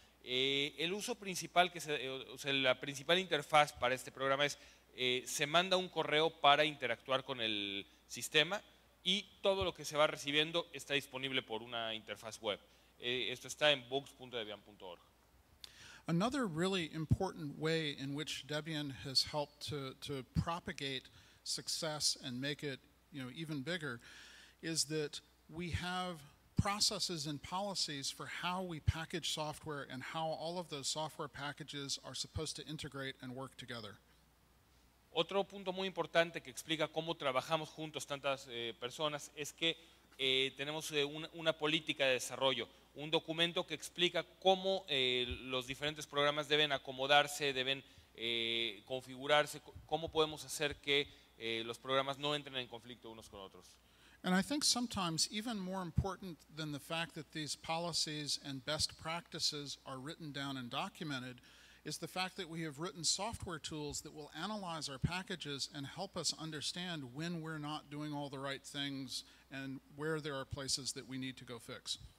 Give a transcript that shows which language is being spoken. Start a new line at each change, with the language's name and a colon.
Spanish: El uso principal, la principal interfaz para este programa es, se manda un correo para interactuar con el sistema y todo lo que se va recibiendo está disponible por una interfaz web. Esto está en bugs.debian.org.
English: Another really important way in which Debian has helped to propagate success and make it, you know, even bigger is that we have processes and policies for how we package software and how all of those software packages are supposed to integrate and work together.
Spanish: Otro punto muy importante que explica cómo trabajamos juntos tantas personas es que tenemos una política de desarrollo, un documento que explica cómo los diferentes programas deben acomodarse, deben configurarse, cómo podemos hacer que los programas no entren en conflicto unos con otros.
English: And I think sometimes even more important than the fact that these policies and best practices are written down and documented is the fact that we have written software tools that will analyze our packages and help us understand when we're not doing all the right things and where there are places that we need to go fix.